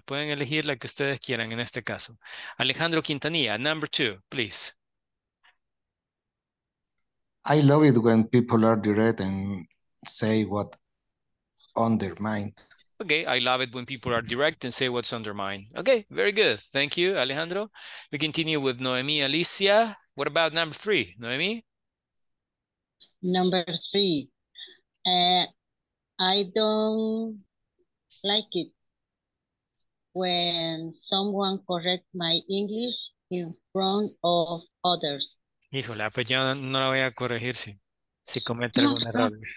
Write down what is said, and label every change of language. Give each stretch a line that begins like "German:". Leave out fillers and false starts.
Spanish: Pueden elegir la que ustedes quieran en este caso.
English: Alejandro Quintanilla, number two, please. I love it when people are direct and say what's on their mind. Okay, I love it when people are direct and say what's on their mind. Okay, very good. Thank you, Alejandro. We continue with Noemi Alicia. What about number three, Noemi? Number three, I don't like it when someone correct my English in front of others.
Spanish: Híjole, pues yo no la voy a corregir si comete algún error.